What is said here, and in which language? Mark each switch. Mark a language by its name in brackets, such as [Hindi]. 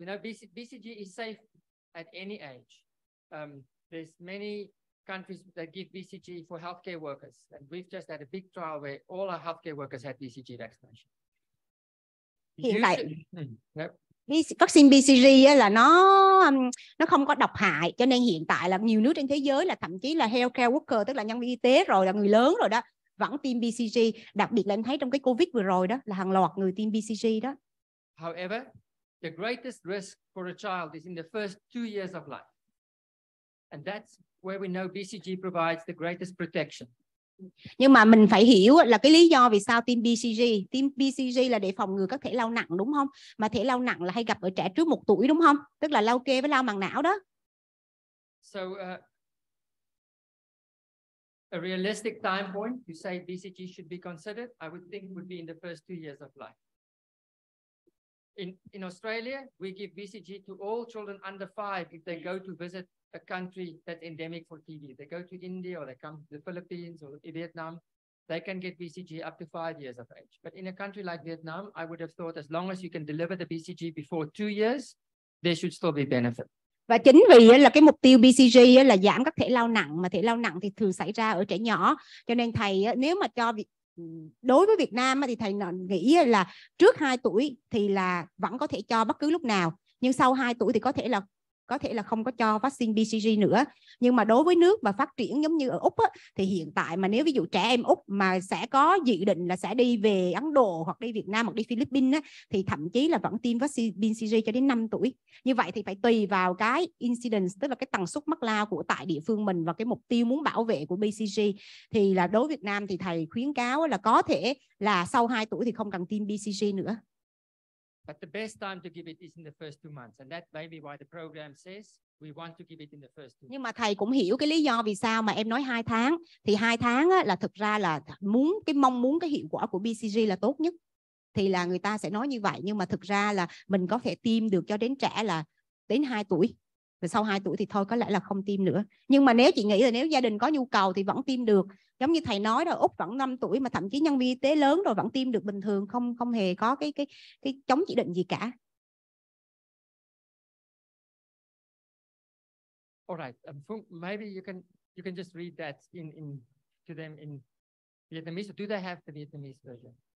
[English] You know, BCG is safe at any age. There's many countries that give BCG for healthcare workers. And we've just had a big trial where all our healthcare workers had BCG vaccination. [Vietnamese] Hiện tại, vaccine BCG là nó không có độc hại, cho nên hiện tại là nhiều nước trên thế giới là thậm chí là healthcare worker, tức là nhân viên y tế rồi, là người lớn rồi đó, vẫn tiêm BCG. Đặc biệt là em thấy trong cái COVID vừa rồi đó, là hàng loạt người tiêm BCG đó. [English] However, the greatest risk for a child is in the first 2 years of life. And that's where we know BCG provides the greatest protection. [Vietnamese] Nhưng mà mình phải hiểu là cái lý do vì sao tiêm BCG. Tiêm BCG là để phòng ngừa các thể lao nặng đúng không? Mà thể lao nặng là hay gặp ở trẻ trước 1 tuổi đúng không? Tức là lao kê với lao màng não đó. [English] So a realistic time point to say BCG should be considered, I would think, would be in the first 2 years of life. In Australia, we give BCG to all children under five if they go to visit a country that's endemic for TB. They go to India or they come to the Philippines or Vietnam, they can get BCG up to 5 years of age. But in a country like Vietnam, I would have thought as long as you can deliver the BCG before 2 years, there should still be benefit. [Vietnamese] Và chính vì là cái mục tiêu BCG là giảm các thể lao nặng, mà thể lao nặng thì thường xảy ra ở trẻ nhỏ. Cho nên thầy nếu mà cho đối với Việt Nam thì thầy nghĩ là trước 2 tuổi thì là vẫn có thể cho bất cứ lúc nào. Nhưng sau 2 tuổi thì có thể là không có cho vaccine BCG nữa. Nhưng mà đối với nước mà phát triển giống như ở Úc á, thì hiện tại mà nếu ví dụ trẻ em Úc mà sẽ có dự định là sẽ đi về Ấn Độ hoặc đi Việt Nam hoặc đi Philippines á, thì thậm chí là vẫn tiêm vaccine BCG cho đến 5 tuổi. Như vậy thì phải tùy vào cái incidence, tức là cái tần suất mắc lao của tại địa phương mình và cái mục tiêu muốn bảo vệ của BCG. Thì là đối với Việt Nam thì thầy khuyến cáo là có thể là sau 2 tuổi thì không cần tiêm BCG nữa. [English] But the best time to give it is in the first 2 months, and that may be why the program says we want to give it in the first 2 months. [Vietnamese] Nhưng mà thầy cũng hiểu cái lý do vì sao mà em nói 2 tháng. Thì 2 tháng á, là thực ra là muốn cái mong muốn cái hiệu quả của BCG là tốt nhất. Thì là người ta sẽ nói như vậy, nhưng mà thực ra là mình có thể tiêm được cho đến trẻ là đến 2 tuổi. Và sau 2 tuổi thì thôi có lẽ là không tiêm nữa. Nhưng mà nếu chị nghĩ là nếu gia đình có nhu cầu thì vẫn tiêm được. Giống như thầy nói rồi, Úc vẫn 5 tuổi mà thậm chí nhân viên y tế lớn rồi vẫn tiêm được bình thường, không hề có cái chống chỉ định gì cả. [English] All right, maybe you can just read that in to them in Vietnamese. Do they have the Vietnamese version?